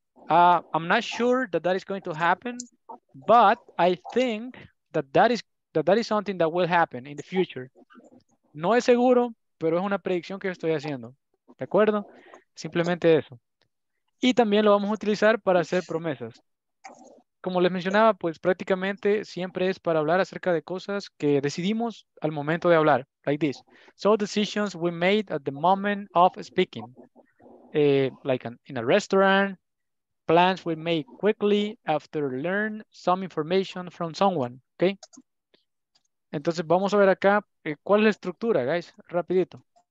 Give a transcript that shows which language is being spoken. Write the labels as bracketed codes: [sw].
[en] I'm not sure that is going to happen, but I think that is something that will happen in the future. [es] No es seguro, pero es una predicción que estoy haciendo. ¿De acuerdo? Simplemente eso. Y también lo vamos a utilizar para hacer promesas. Como les mencionaba, pues prácticamente siempre es para hablar acerca de cosas que decidimos al momento de hablar. [en] Like this. So decisions we made at the moment of speaking. In a restaurant. Plans we make quickly after learn some information from someone. Okay? [es] Entonces vamos a ver acá. ¿Cuál es la estructura, guys? Rapidito.